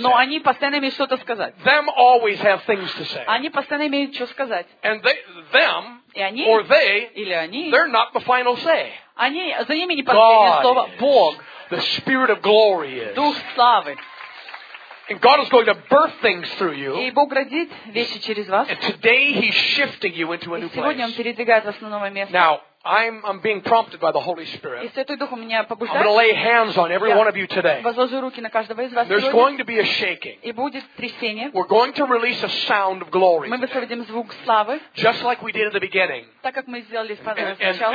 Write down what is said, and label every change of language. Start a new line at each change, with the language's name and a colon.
Russian: Но они постоянно имеют что-то сказать.
English: Them always have things to say.
Russian: Они постоянно имеют что сказать.
English: And they them
Russian: они,
English: or they
Russian: или они,
English: they're not the final say.
Russian: Они за ними не последнее слово. Бог.
English: The spirit of glory is.
Russian: Дух славы.
English: And God is going to birth things through you.
Russian: И Бог родит вещи через вас.
English: And today he's shifting you into a new place.
Russian: И сегодня он передвигает вас на новое место.
English: Now, I'm being prompted by the Holy Spirit.
Russian: И Святой Дух у меня побуждает.
English: I'm going to lay hands on every one of you today.
Russian: Возложу руки на каждого из вас.
English: There's going to be a shaking.
Russian: И будет трясение.
English: We're going to release a sound of glory.
Russian: Мы высвободим звук славы.
English: Just like we did at the beginning.
Russian: Так как мы сделали сначала.